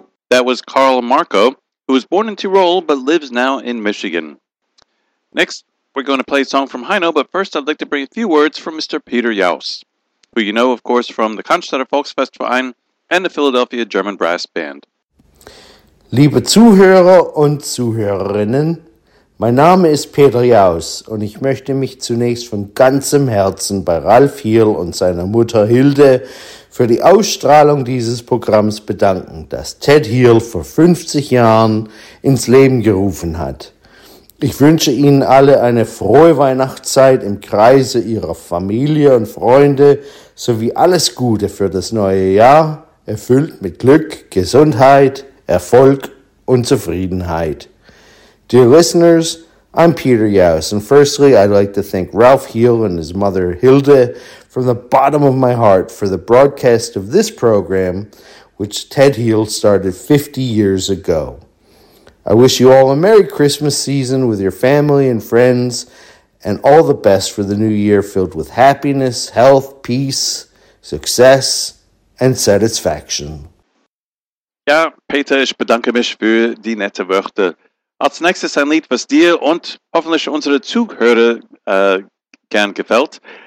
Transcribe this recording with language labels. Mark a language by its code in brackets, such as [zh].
[en] That was Karl Marko, who was born in Tyrol but lives now in Michigan. Next, we're going to play a song from Heino, but first I'd like to bring a few words from Mr. Peter Jaus, who you know, of course, from the Cannstatter Volksfestverein and the Philadelphia German Brass Band. [de] Liebe Zuhörer und Zuhörerinnen, mein Name ist Peter Jaus und ich möchte mich zunächst von ganzem Herzen bei Ralf Hiel und seiner Mutter Hilde für die Ausstrahlung dieses Programms bedanken, das Ted Hiel vor 50 Jahren ins Leben gerufen hat. Ich wünsche Ihnen alle eine frohe Weihnachtszeit im Kreise Ihrer Familie und Freunde sowie alles Gute für das neue Jahr, erfüllt mit Glück, Gesundheit, Erfolg und Zufriedenheit. [en] Dear listeners, I'm Peter Jaus, and firstly, I'd like to thank Ralph Hiel and his mother, Hilde, from the bottom of my heart for the broadcast of this program, which Ted Hiel started 50 years ago. I wish you all a Merry Christmas season with your family and friends, and all the best for the new year filled with happiness, health, peace, success, and satisfaction. [de] Ja, Peter, ich bedanke mich für die nette Worte. Als nächstes ein Lied, was dir und hoffentlich unsere Zuhörer gern gefällt.